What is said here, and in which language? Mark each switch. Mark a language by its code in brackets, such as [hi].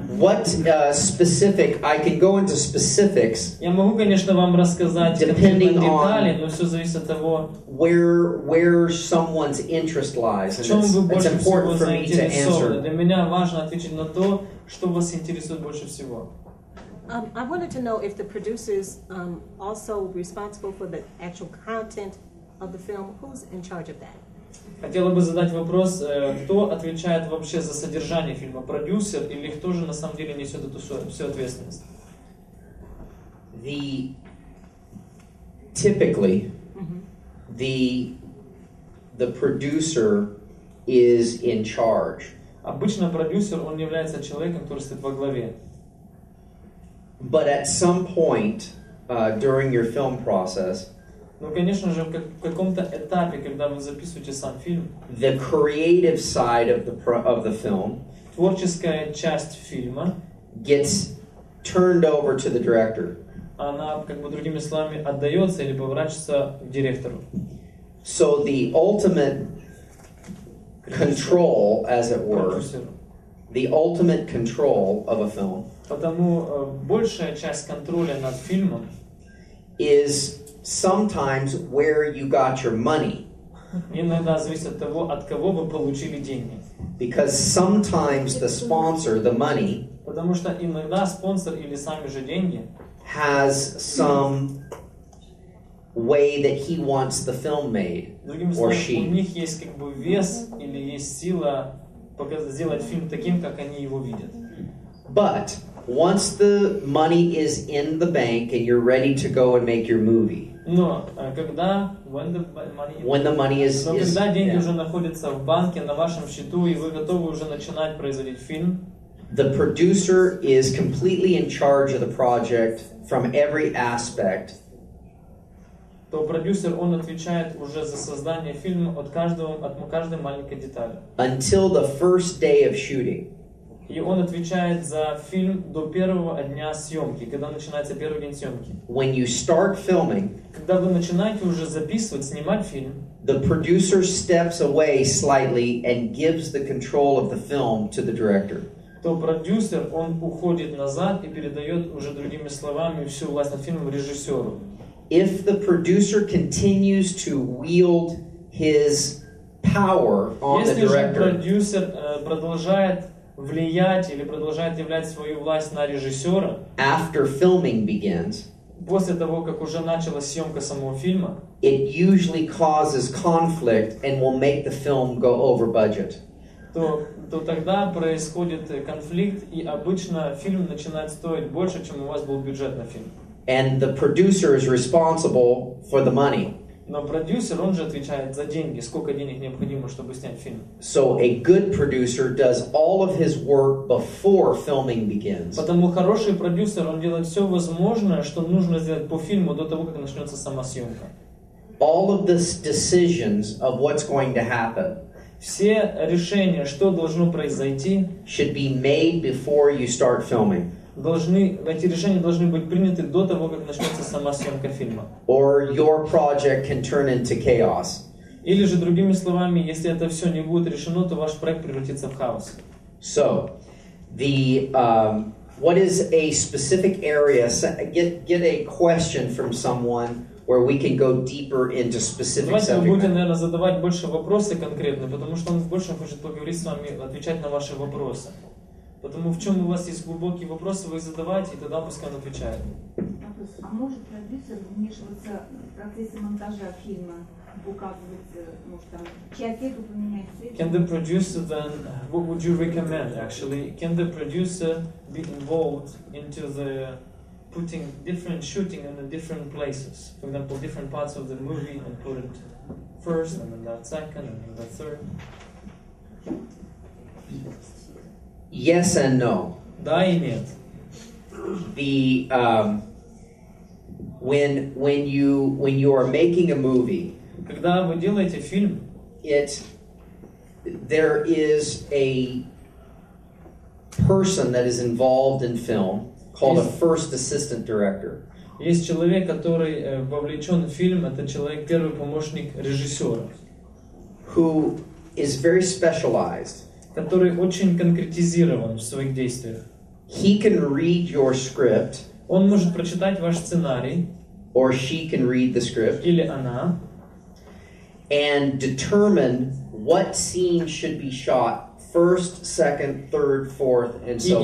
[en] What specific? I can go into specifics. [ru] Я могу, конечно, вам рассказать [en] depending [ru] какие-то детали, [en] on [ru] но все зависит от того, [en] where someone's interest lies. [ru] Чем вы больше всего заинтересованы? Для меня важно ответить на то, что вас интересует больше всего. [en] I wanted to know if the producers also responsible for the actual content of the film. Who's in charge of that? [ru] Хотела бы задать вопрос, кто отвечает вообще за содержание фильма? Продюсер или кто же на самом деле несет эту всю ответственность? [en] The typically the producer is in charge. [ru] Обычно продюсер, он является человеком, который стоит во главе. [en] But at some point during your film process, [ru] ну, конечно же, в каком-то этапе, когда вы записываете сам фильм, [en] the creative side of the film, [ru] творческая часть фильма, [en] gets turned over to the director. [ru] Она, как бы, другими словами, отдается или поворачивается к директору. [en] So the ultimate control, as it were, the ultimate control of a film, [ru] потому большая часть контроля над фильмом [en] is sometimes where you got your money. [ru] Иногда зависит от того, от кого вы получили деньги. [en] Because sometimes the sponsor, the money, [ru] потому что иногда спонсор или сами же деньги [en] has some way that he wants the film made, [ru] другими словами, [en] or she. [ru] У них есть, как бы, вес или есть сила сделать фильм таким, как они его видят. [en] But once the money is in the bank and you're ready to go and make your movie, [ru] но когда деньги уже находятся в банке на вашем счету и вы готовы уже начинать производить фильм, [en] the producer is completely in charge of the project from every aspect. [ru] То продюсер, он отвечает уже за создание фильма от каждого, от каждой маленькой детали. [en] Until the first day of shooting. [ru] И он отвечает за фильм до первого дня съемки, когда начинается первый день съемки. [en] When you start filming, [ru] когда вы начинаете уже записывать, снимать фильм, [en] the producer steps away slightly and gives the control of the film to the director. [ru] То продюсер, он уходит назад и передает уже другими словами всю власть над фильмом режиссеру. [en] If the producer continues to wield his power on [ru] если [en] the director, [ru] если продюсер продолжает влиять или продолжает являть свою власть на режиссера, [en] after filming begins, [ru] после того, как уже началась съемка самого фильма, [en] it usually causes conflict and will make the film go over budget. [ru] То тогда происходит конфликт, и обычно фильм начинает стоить больше, чем у вас был бюджет на фильм. [en] And the producer is responsible for the money. [ru] Но продюсер, он же отвечает за деньги, сколько денег необходимо, чтобы снять фильм. [en] So a good producer does all of his work before filming begins. [ru] Потому хороший продюсер, он делает все возможное, что нужно сделать по фильму до того, как начнется сама съемка. [en] All of the decisions of what's going to happen, [ru] все решения, что должно произойти, [en] should be made before you start filming. [ru] Эти решения должны быть приняты до того, как начнется сама съемка фильма. [en] Or your project can turn into chaos. [ru] Или же, другими словами, если это все не будет решено, то ваш проект превратится в хаос. [en] So, the what is a specific area? Get a question from someone where we can go deeper into specific subject. [ru] Давайте мы будем, наверное, задавать больше вопросов конкретно, потому что он больше хочет поговорить с вами, отвечать на ваши вопросы. Потому в чем у вас есть глубокие вопросы, вы задавайте, и тогда пускай он отвечает. А может продюсер вмешиваться в процессе монтажа фильма, указывать, может, там, часть поменять? [en] Can the producer then, what would you recommend, actually? Can the producer be involved into the putting different shooting in the different places? For example, different parts of the movie and put it first, and then that second, and then that third? Yes and no. [ru] Да и нет. [en] The When you are making a movie, [ru] когда вы делаете фильм, [en] there is a person that is involved in film called a first assistant director. [ru] Есть человек, который вовлечен в фильм, это человек первый помощник режиссера, [en] who is very specialized, [ru] который очень конкретизирован в своих действиях. [en] He can read your script. [ru] Он может прочитать ваш сценарий. [en] Or she can read the script. [ru] Или она. [en] And determine what scene should be shot first, second, third, fourth, and so on.